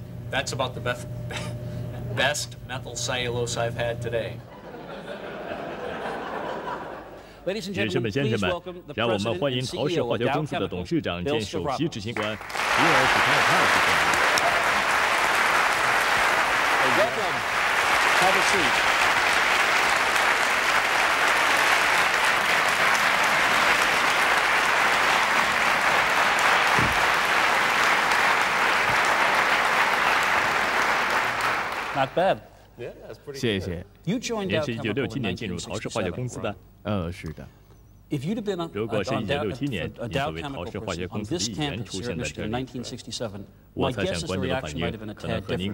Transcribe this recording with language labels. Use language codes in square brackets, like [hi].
[en] That's about the best methyl cellulose I've had today. Ladies and gentlemen, please welcome the President and CEO of Dow Chemical, Bill Stavropoulos. [zh] 董事长兼首席执行官比尔·史泰泰。 [en] Welcome. Have a seat. Not bad. Yeah, that's pretty good. [zh] 谢谢。您是1967年进入陶氏化学公司的？是的。 [en] If you'd have been on Dow Chemical in 1967, my guess is the reaction might have been a tad different.